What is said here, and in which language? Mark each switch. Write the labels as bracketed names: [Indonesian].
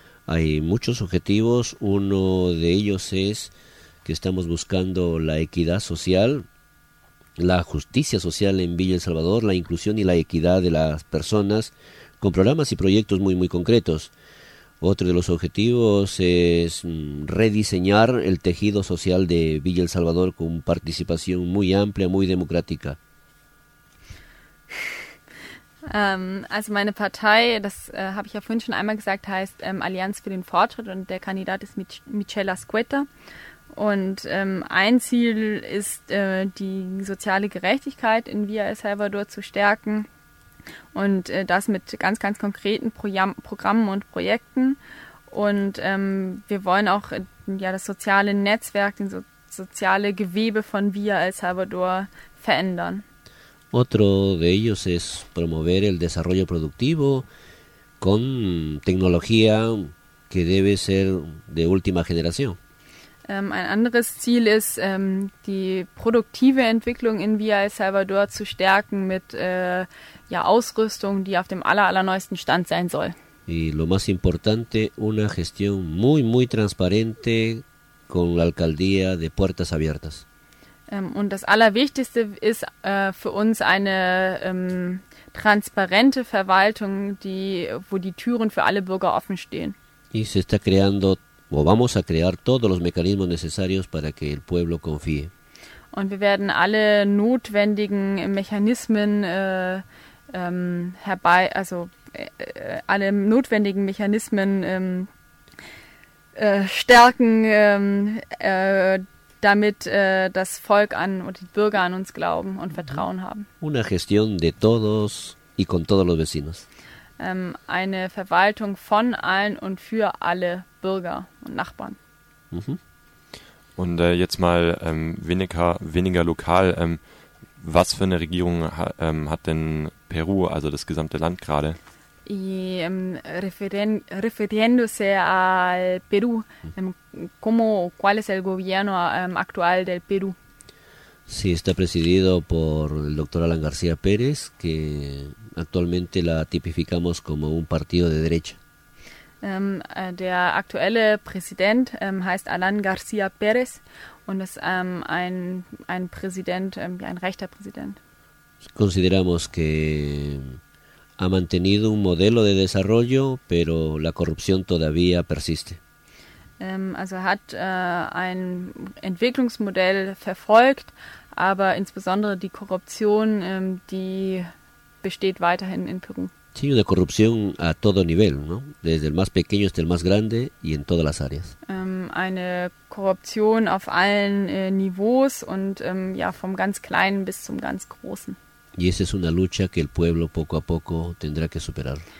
[Spanish] Hay muchos objetivos, uno de ellos es que estamos buscando la equidad social, la justicia social en Villa El Salvador, la inclusión y la equidad de las personas con programas y proyectos muy, muy concretos. Otro de los objetivos es rediseñar el tejido social de Villa El Salvador con participación muy amplia, muy democrática. [German] Also meine Partei, das habe ich ja vorhin schon einmal gesagt, heißt Allianz für den Fortschritt und der Kandidat ist Michel Azcueta. Und ein Ziel ist, die soziale Gerechtigkeit in Villa El Salvador zu stärken und das mit ganz, ganz konkreten Programmen und Projekten. Und wir wollen auch das soziale Netzwerk, das soziale Gewebe von Villa El Salvador verändern. [Spanish] Otro de ellos es promover el desarrollo productivo con tecnología que debe ser de última generación. [German] Ein anderes Ziel ist, die produktive Entwicklung in Villa El Salvador zu stärken mit Ausrüstung, die auf dem allerneuesten Stand sein soll. [Spanish] Y lo más importante, una gestión muy, muy transparente con la alcaldía de puertas abiertas. [German] Und das Allerwichtigste ist für uns eine transparente Verwaltung, wo die Türen für alle Bürger offen stehen. [Spanish] Y se está creando, o vamos a crear todos los mecanismos necesarios para que el pueblo confíe. [German] Und wir werden alle notwendigen Mechanismen stärken, damit das Volk an oder die Bürger an uns glauben und Vertrauen haben. [Spanish] Una gestión de todos y con todos los vecinos. [German] Eine Verwaltung von allen und für alle Bürger und Nachbarn. Mhm. Und jetzt mal weniger lokal. Was für eine Regierung hat denn Peru, also das gesamte Land gerade? [Spanish] Y refiriéndose al Perú, ¿cuál es el gobierno actual del Perú? Sí, está presidido por el doctor Alan García Pérez, que actualmente la tipificamos como un partido de derecha. [German] Der aktuelle Präsident heißt Alan García Pérez und ist ein rechter Präsident. [Spanish] Consideramos que ha mantenido un modelo de desarrollo, pero la corrupción todavía persiste. [German] Also hat ein Entwicklungsmodell verfolgt, aber insbesondere die Korruption, die besteht weiterhin in Peru. [Spanish] Sí, una corrupción a todo nivel, ¿no? Desde el más pequeño hasta el más grande y en todas las áreas. [German] Eine Korruption auf allen Niveaus und vom ganz kleinen bis zum ganz großen. [Spanish] Y esa es una lucha que el pueblo poco a poco tendrá que superar.